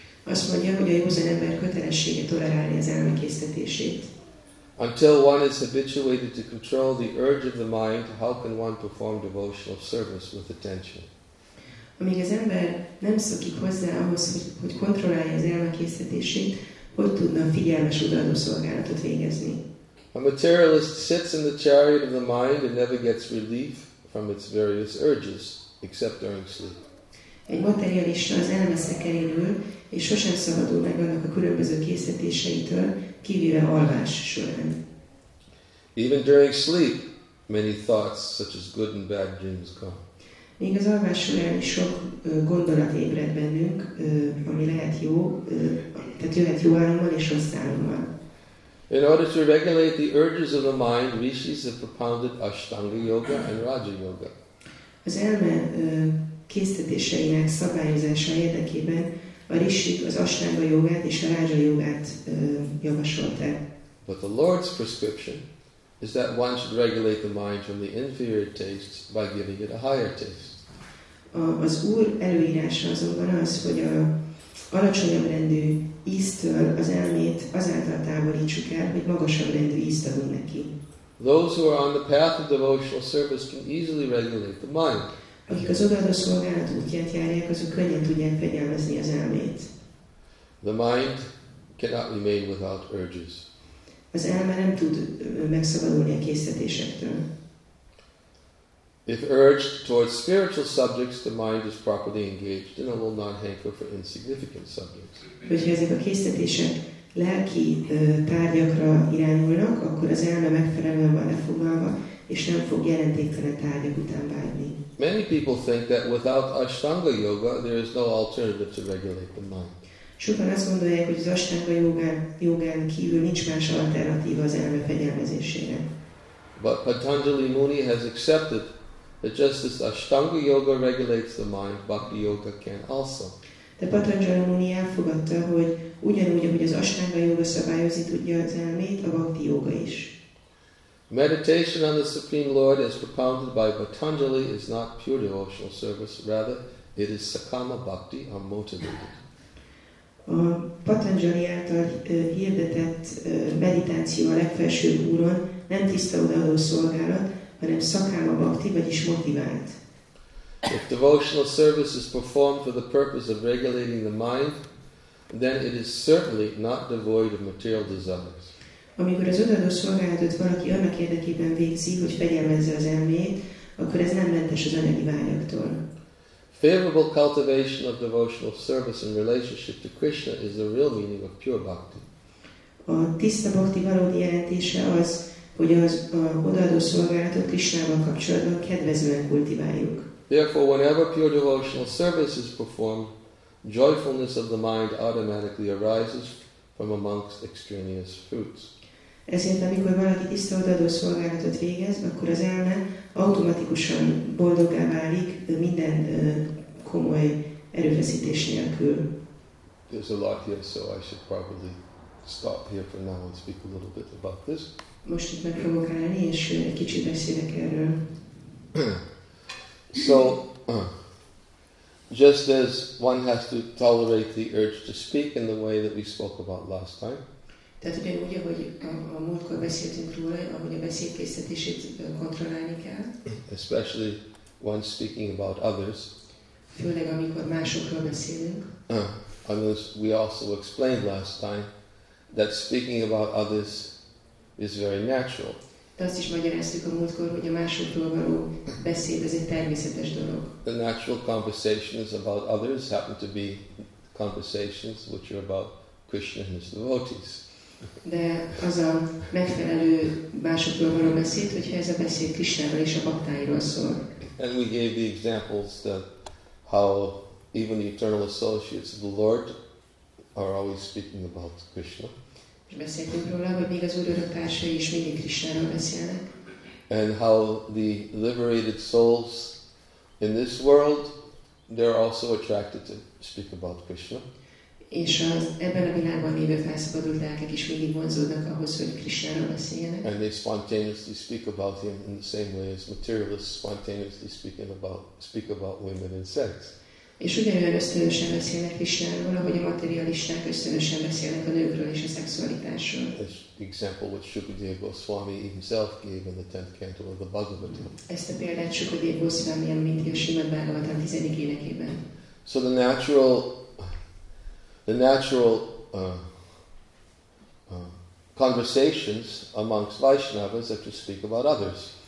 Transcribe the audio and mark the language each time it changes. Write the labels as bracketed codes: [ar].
[hu] Azt mondja, hogy a józan ember kötelessége tolerálni az elme késztetését. [en] Until one is habituated to control the urge of the mind, how can one perform devotional service with attention? [hu] Amíg az ember nem szokik hozzá ahhoz, hogy kontrollálja az elmekészítését, hogy tudna figyelmes odaadó szolgálatot végezni? [en] A materialist sits in the chariot of the mind and never gets relief from its various urges, except during sleep. [hu] Egy materialista az elme szekerén ül, és sosem szabadul meg annak a különböző késztetéseitől, kivéve alvás során. [en] Even during sleep, many thoughts, such as good and bad dreams come. [hu] Még az alvás során is sok gondolat ébred bennünk, ami lehet jó, tehát jöhet jó álommal és rossz álommal. [en] In order to regulate the urges of the mind, rishis have propounded Ashtanga Yoga and Raja Yoga. [hu] Az elme késztetéseinek szabályozása érdekében a rishik az Ashtanga jogát és a Rázsa jogát javasolták. [en] But the Lord's prescription is that one should regulate the mind from the inferior tastes by giving it a higher taste. [hu] Az Úr előírása azonban az, hogy a alacsonyabb rendű íztől az elmét azáltal távolítsuk el, hogy magasabb rendű ízt adunk neki. [en] Those who are on the path of devotional service can easily regulate the mind. [hu] Akik az odaadó szolgálat útját járják, azok könnyen tudják fegyelmezni az elmét. [en] The mind cannot remain without urges. [hu] Az elme nem tud megszabadulni a késztetésektől. [en] If urged towards spiritual subjects, the mind is properly engaged and it will not hanker for insignificant subjects. [hu] Hogyha ezek a késztetések lelki tárgyakra irányulnak, akkor az elme megfelelően van lefoglalva, és nem fog jelentéktelen tárgyak után vágyni. [en] Many people think that without Ashtanga Yoga, there is no alternative to regulate the mind. [hu] Sokan azt gondolják, hogy az Ashtanga jogán kívül nincs más alternatíva az elme fegyelmezésére. [en] But Patanjali Muni has accepted that just as Ashtanga Yoga regulates the mind, Bhakti Yoga can also. [hu] De Patanjali Muni elfogadta, hogy ugyanúgy, ahogy az Ashtanga Yoga szabályozi, tudja az elmét, a Bhakti Yoga is. [en] Meditation on the Supreme Lord as propounded by Patanjali is not pure devotional service, rather it is sakama bhakti or motivated. [hu] A Patanjali által hirdetett meditáció a legfelsőbb úron nem tiszta odaadó szolgálat, hanem sakama bhakti, vagyis motivált. [en] If devotional service is performed for the purpose of regulating the mind, then it is certainly not devoid of material desires. [hu] Amikor az odaadó szolgálatot valaki annak érdekében végzi, hogy fegyelmezze az elmét, akkor ez nem mentes az anyagi vágyaktól. [en] Favorable cultivation of devotional service in relationship to Krishna is the real meaning of pure bhakti. [hu] A tiszta bhakti valódi jelentése az, hogy az odaadó szolgálatot Krishnával kapcsolatban kedvezően kultiváljuk. [en] Therefore, whenever pure devotional service is performed, joyfulness of the mind automatically arises from amongst extraneous fruits. [hu] Ezért amikor valaki tiszta odaadó szolgálatot végez, akkor az elme automatikusan boldoggá válik minden komoly erőfeszítés nélkül. [en] There's a lot here, so I should probably stop here for now and speak a little bit about this. [hu] Most itt meg fogok állni, és kicsit beszélek erről. [en] So, just as one has to tolerate the urge to speak in the way that we spoke about last time. [hu] Tehát ugyanúgy, ahogy a múltkor beszéltünk róla, ahogy a beszédkészítését kontrollálni kell. [en] Especially when speaking about others. [hu] Főleg amikor másokról beszélünk. [en] Others, we also explained last time that speaking about others is very natural. [hu] De azt is magyaráztuk a múltkor, hogy a másokról való beszéd, ez egy természetes dolog. [en] The natural conversations about others happen to be conversations which are about Krishna and his devotees. [hu] De az a megfelelő másokról való beszéd, hogyha ez a beszéd Krishnáról és a baktáiról szól. [en] And we gave the examples that how even the eternal associates of the Lord are always speaking about Krishna. [hu] És beszéltünk róla, hogy még az úrörök társai is mindig Krishnáról beszélnek. [en] And how the liberated souls in this world, they're also attracted to speak about Krishna. [hu] És az ebben a világban lévő felszabadult lelkek is mindig vonzódnak ahhoz, hogy Krishnáról beszéljenek. [en] And they spontaneously speak about him in the same way as materialists spontaneously speak about women and sex. [hu] És ugyanolyan ösztönösen beszélnek Krishnáról, ahogy a materialisták ösztönösen beszélnek a nőkről és a szexualitásról. [en] This example which Shukadeva Goswami himself gave in the 10th canto of the Bhagavatam. [hu] Ezt a példát Shukadeva Goswami említi a Srimad Bhagavatam 10. énekében. [en] So the natural conversations amongst Vaishnavas are to speak about others.